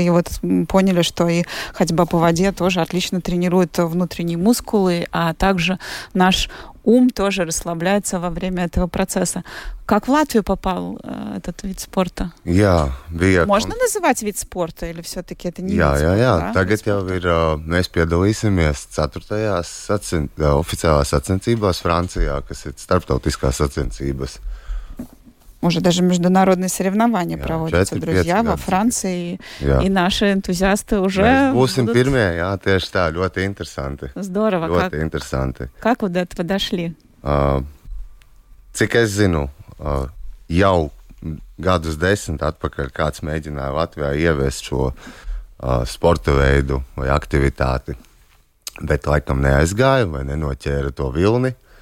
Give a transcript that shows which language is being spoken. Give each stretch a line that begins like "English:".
Russian: И вот поняли, что и ходьба по воде тоже отлично тренирует внутренние мускулы, а также наш ум тоже расслабляется во время этого процесса. Как в Латвию попал этот вид спорта? Я. Можно называть вид спорта или все-таки это не я, вид спорта? Да.
Latvian: Tagad jau ir, mēs piedalīsimies 4.
Russian: Официальной
Latvian: sacensībās Francijā, kas ir starptautiskās sacensības.
Russian: Уже даже международные соревнования проводятся, друзья, во Франции. И наши энтузиасты уже... Будем первые, да, тоже так, очень интересно. Здорово. Очень интересно. Как вы до этого дошли?
Latvian: Cik es zinu, jau gadus 10 atpakaļ kāds mēģināja Latvijā ieviest šo sporta veidu vai aktivitāti, bet laikam neaizgāju vai nenoķēra to vilni.